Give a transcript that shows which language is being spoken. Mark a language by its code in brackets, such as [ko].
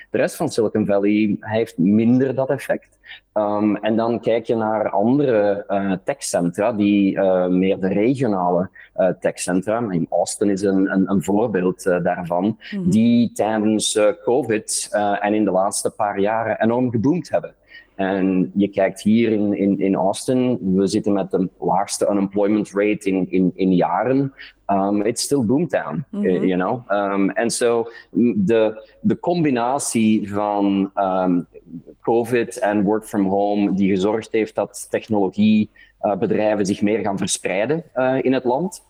[nl] De rest van Silicon Valley heeft minder dat effect. En dan kijk je naar andere techcentra, die meer de regionale techcentra, in Austin is een voorbeeld daarvan, die tijdens COVID en in de laatste paar jaren enorm geboomd hebben. En je kijkt hier in Austin, we zitten met de laagste unemployment rate in jaren. [en] It's still boomtown, you know. [nl] En zo, de combinatie van COVID en [en] work from home, [nl] die gezorgd heeft dat technologiebedrijven zich meer gaan verspreiden in het land.